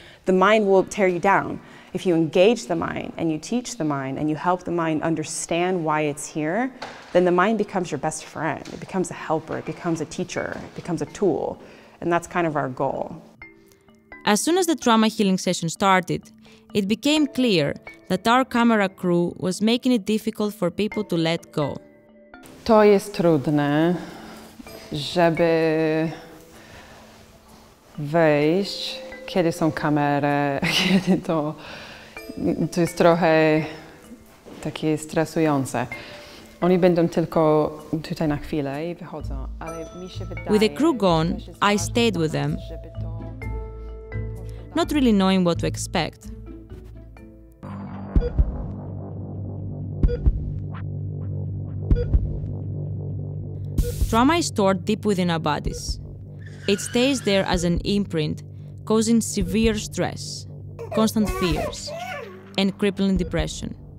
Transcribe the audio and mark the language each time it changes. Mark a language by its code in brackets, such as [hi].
[en] The mind will tear you down. If you engage the mind and you teach the mind and you help the mind understand why it's here, then the mind becomes your best friend. It becomes a helper, it becomes a teacher, it becomes a tool. And that's kind of our goal. As soon as the trauma healing session started, it became clear that our camera crew was making it difficult for people to let go. [pl] To jest trudne, żeby wejść, kiedy są kamery, kiedy to... To jest trochę takie stresujące. Oni będą tylko tutaj na chwilę I wychodzą, ale mi się wydaje... [en] With the crew gone, I stayed with them, not really knowing what to expect. Trauma is stored deep within our bodies. It stays there as an imprint, causing severe stress, constant fears, and crippling depression.